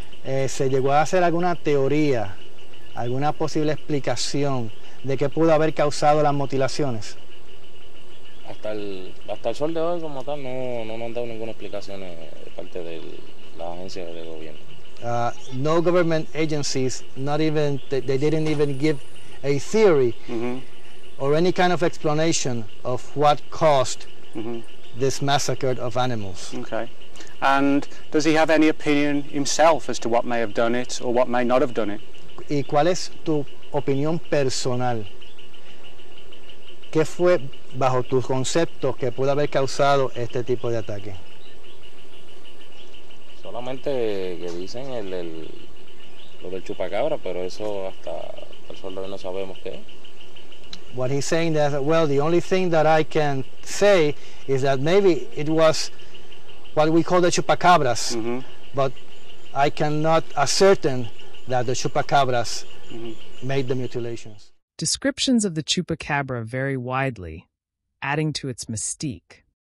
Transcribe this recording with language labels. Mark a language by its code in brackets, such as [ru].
[es] Se llegó a hacer alguna teoría, alguna posible explicación de qué pudo haber causado las mutilaciones. Hasta el sol de hoy, como tal, no han dado ninguna explicación de parte de la agencia de gobierno. [en] No government agencies, not even, they didn't even give a theory, mm-hmm, or any kind of explanation of what caused, mm-hmm, this massacre of animals. Okay. And does he have any opinion himself as to what may have done it or what may not have done it? [es] ¿Y cuál es tu opinión personal? ¿Qué fue, bajo tus conceptos, que pudo haber causado este tipo de ataque? Solamente que dicen lo del chupacabra, pero eso hasta el sol no sabemos qué. [en] What he's saying is, well, the only thing that I can say is that maybe it was what we call the chupacabras, mm-hmm, but I cannot ascertain that the chupacabras, mm-hmm, made the mutilations. Descriptions of the chupacabra vary widely, adding to its mystique.